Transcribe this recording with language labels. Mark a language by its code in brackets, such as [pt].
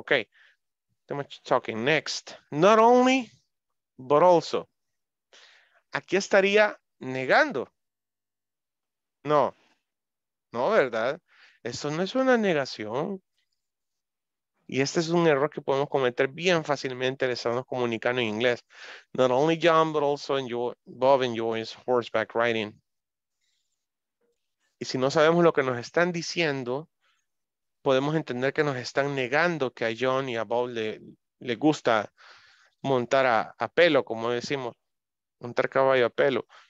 [en] Ok. Too much talking. Next. Not only, but also. [es] Aquí estaría negando. No. No, ¿verdad? Eso no es una negación. Y este es un error que podemos cometer bien fácilmente al estarnos comunicando en inglés. [en] Not only John, but also Bob enjoys horseback riding. [es] Y si no sabemos lo que nos están diciendo, podemos entender que nos están negando que a John y a Bob le gusta montar a pelo, como decimos, montar caballo a pelo.